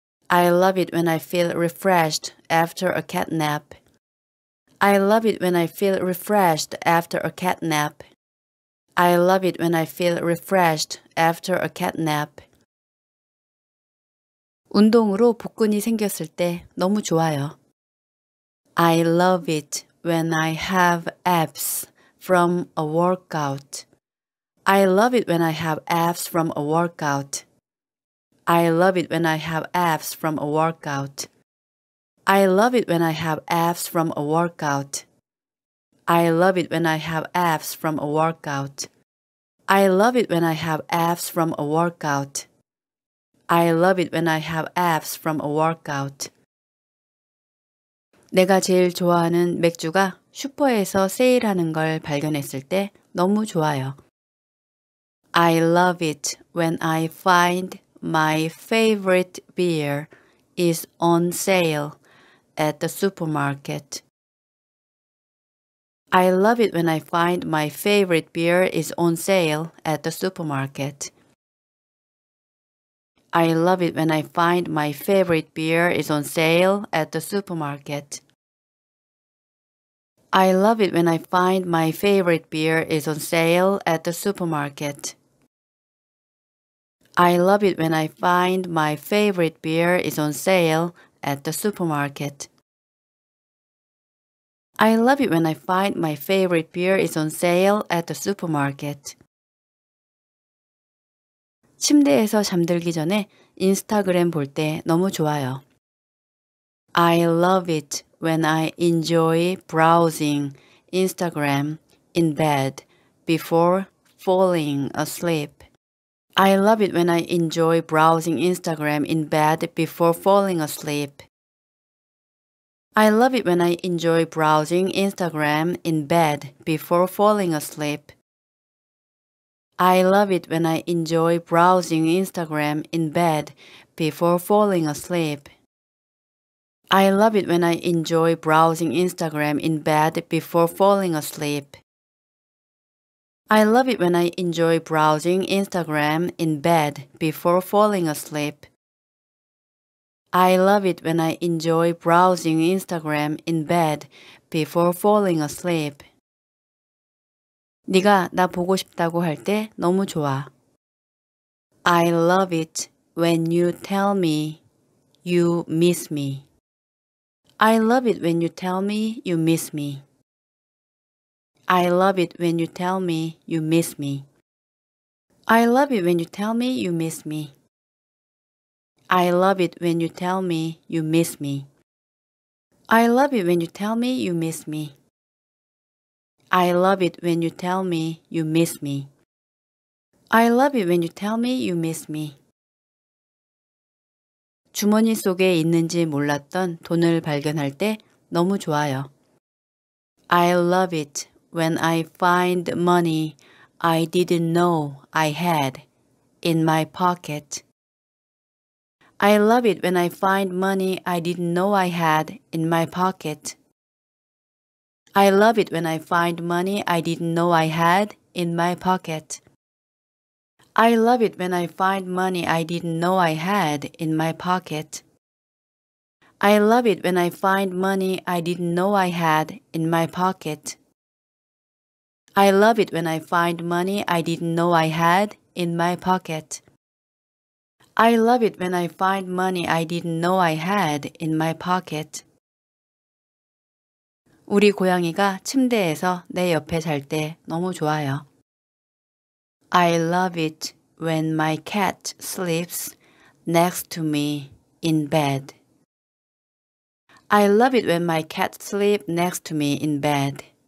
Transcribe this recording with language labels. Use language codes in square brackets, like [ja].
[en] I love it when I feel refreshed after a cat nap. I love it when I feel refreshed after a cat nap. I love it when I feel refreshed after a cat nap. [ko] 운동으로 복근이 생겼을 때 너무 좋아요. [en] I love it when I have abs from a workout. I love it when I have abs from a workout. I love it when I have abs from a workout. I love it when I have abs from a workout. I love it when I have abs from a workout. I love it when I have abs from a workout. I love it when I have abs from a workout. [ko] 내가 제일 좋아하는 맥주가 슈퍼에서 세일하는 걸 발견했을 때 너무 좋아요. [en] I love it when I find my favorite beer is on sale at the supermarket. I love it when I find my favorite beer is on sale at the supermarket. I love it when I find my favorite beer is on sale at the supermarket. I love it when I find my favorite beer is on sale at the supermarket. I love it when I find my favorite beer is on sale at the supermarket. I love it when I find my favorite beer is on sale at the supermarket. [ko] 침대에서 잠들기 전에 인스타그램 볼 때 너무 좋아요. [en] I love it when I enjoy browsing Instagram in bed before falling asleep. I love it when I enjoy browsing Instagram in bed before falling asleep. I love it when I enjoy browsing Instagram in bed before falling asleep. I love it when I enjoy browsing Instagram in bed before falling asleep. I love it when I enjoy browsing Instagram in bed before falling asleep. I love it when I enjoy browsing Instagram in bed before falling asleep. I love it when I enjoy browsing Instagram in bed before falling asleep. [ko] 네가 나 보고 싶다고 할 때 너무 좋아. [en] I love it when you tell me you miss me. I love it when you tell me you miss me. I love it when you tell me you miss me. I love it when you tell me you miss me. I love it when you tell me you miss me. I love it when you tell me you miss me. I love it when you tell me you miss me. I love it when you tell me you miss me. [ko] 주머니 속에 있는지 몰랐던 돈을 발견할 때 너무 좋아요. [en] I love it when I find money I didn't know I had in my pocket. I love it when I find money I didn't know I had in my pocket. I love it when I find money I didn't know I had in my pocket. I love it when I find money I didn't know I had in my pocket. I love it when I find money I didn't know I had in my pocket. I love it when I find money I didn't know I had in my pocket. I love it when I find money I didn't know I had in my pocket. [ko] 우리 고양이가 침대에서 내 옆에 잘 때 너무 좋아요. [en] I love it when my cat sleeps next to me in bed. I love it when my cat sleeps next to me in bed.